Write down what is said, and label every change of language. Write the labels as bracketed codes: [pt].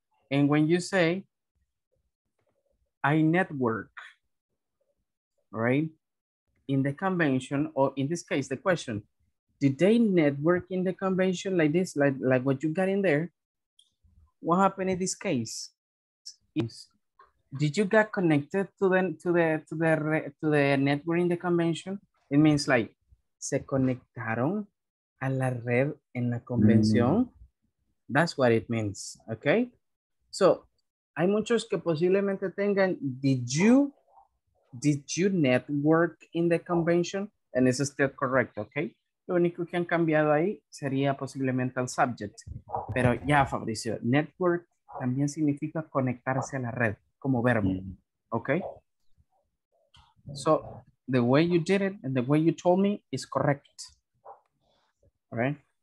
[en] And when you say I network, right, in the convention, or in this case, the question, did they network in the convention like this, like what you got in there? What happened in this case? Did you get connected to the network in the convention? It means like, [es] se conectaron a la red en la convención. [en] That's what it means, okay? So, [es] hay muchos que posiblemente tengan, [en] did you network in the convention? And it's still correct, okay? [es] Lo único que han cambiado ahí sería posiblemente el subject. Pero ya, Fabricio, network también significa conectarse a la red, como verbo, okay? [en] So, the way you did it and the way you told me is correct, right?